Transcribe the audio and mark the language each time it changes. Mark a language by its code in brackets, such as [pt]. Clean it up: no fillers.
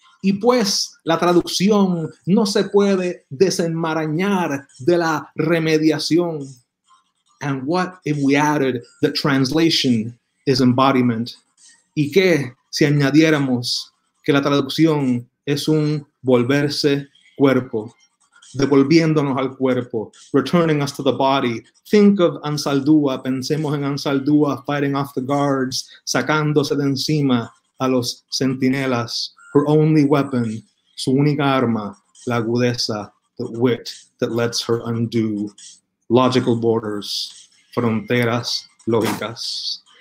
[es] Y pues, la traducción no se puede desenmarañar de la remediación. [en] And what if we added that translation is embodiment? [es] ¿Y qué si añadiéramos que la traducción es un volverse cuerpo? devolviéndonos al cuerpo, [en] returning us to the body. Think of Ansaldúa, [es] pensemos en Ansaldúa, [en] fighting off the guards, [es] sacándose de encima a los centinelas, [en] her only weapon, [es] su única arma, la agudeza, [en] the wit that lets her undo logical borders, [es] fronteras lógicas.